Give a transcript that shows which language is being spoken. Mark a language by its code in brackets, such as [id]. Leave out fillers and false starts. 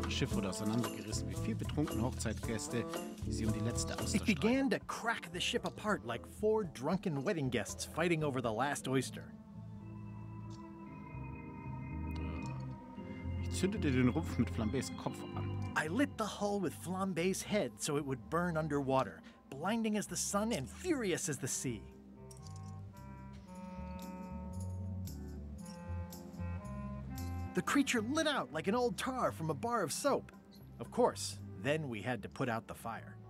[de] Wurde auseinandergerissen wie vier betrunkene Hochzeitsgäste, die sie um die letzte Auster streiten. [en] It began to crack the ship apart like four drunken wedding guests fighting over the last oyster. [de] Ich zündete den Rumpf mit Flambés Kopf an. [en] I lit the hull with Flambés head so it would burn underwater, blinding as the sun and furious as the sea. The creature lit out like an old tar from a bar of soap. Of course, then we had to put out the fire.